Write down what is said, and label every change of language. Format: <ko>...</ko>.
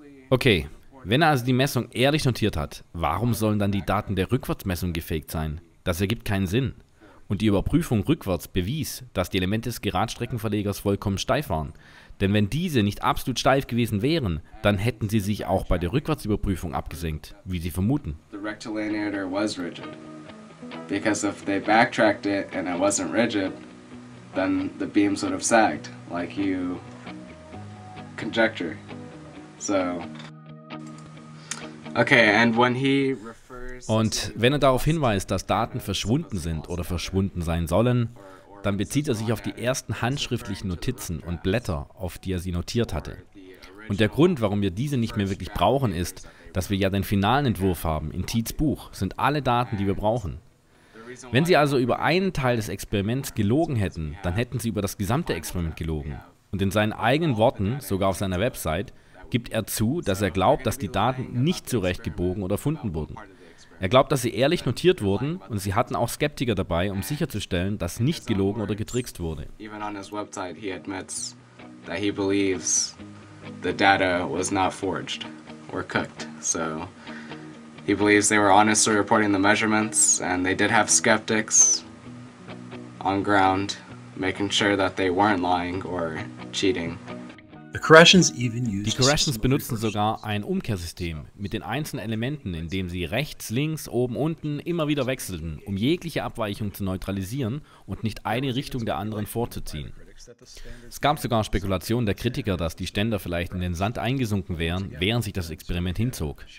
<de>Okay, wenn er also die Messung ehrlich notiert hat, warum sollen dann die Daten der Rückwärtsmessung gefaked sein? Das ergibt keinen Sinn. Und die Überprüfung rückwärts bewies, dass die Elemente des Geradstreckenverlegers vollkommen steif waren. Denn wenn diese nicht absolut steif gewesen wären, dann hätten sie sich auch bei der Rückwärtsüberprüfung abgesenkt, wie sie vermuten.</de> <en>The rectilinear was rigid. Because if they backtracked it and it wasn't rigid, then the beams would have sagged, like you conjecture. So. Okay, and when he refers.</en> <de>Und wenn er darauf hinweist, dass Daten verschwunden sind oder verschwunden sein sollen, dann bezieht er sich auf die ersten handschriftlichen Notizen und Blätter, auf die er sie notiert hatte. Und der Grund, warum wir diese nicht mehr wirklich brauchen, ist, dass wir ja den finalen Entwurf haben, in Tietz' Buch, sind alle Daten, die wir brauchen. Wenn sie also über einen Teil des Experiments gelogen hätten, dann hätten sie über das gesamte Experiment gelogen. Und in seinen eigenen Worten, sogar auf seiner Website, gibt er zu, dass er glaubt, dass die Daten nicht zurechtgebogen oder erfunden wurden. Er glaubt, dass sie ehrlich notiert wurden und sie hatten auch Skeptiker dabei, um sicherzustellen, dass nicht gelogen oder getrickst wurde.</de> <en>Even on his website he admits that he believes the data was not forged or cooked. So he believes they were honestly reporting the measurements and they did have skeptics on ground making sure that they weren't lying or cheating.</en> <de>Die Corrections benutzen sogar ein Umkehrsystem mit den einzelnen Elementen, indem sie rechts, links, oben, unten immer wieder wechselten, um jegliche Abweichung zu neutralisieren und nicht eine Richtung der anderen vorzuziehen. Es gab sogar Spekulationen der Kritiker, dass die Ständer vielleicht in den Sand eingesunken wären, während sich das Experiment hinzog.</de>